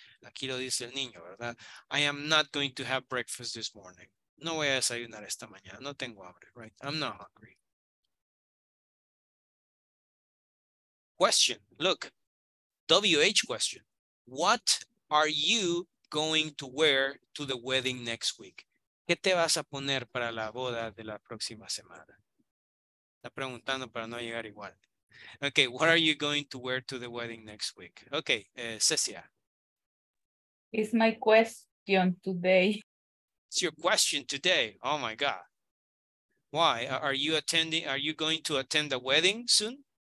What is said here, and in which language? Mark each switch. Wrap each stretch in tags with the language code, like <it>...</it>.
<es>Aquí lo dice el niño, ¿verdad?</es> <en>I am not going to have breakfast this morning.</en> <es>No voy a desayunar esta mañana. No tengo hambre,</es> <en>right? I'm not hungry. Question, look, WH question. What are you going to wear to the wedding next week?</en> <es>¿Qué te vas a poner para la boda de la próxima semana? Está preguntando para no llegar igual.</es> <en>Okay, what are you going to wear to the wedding next week? Okay, Cecia. It's my question today. It's your question today. Oh my God. Why? Are you going to attend a wedding soon?</en>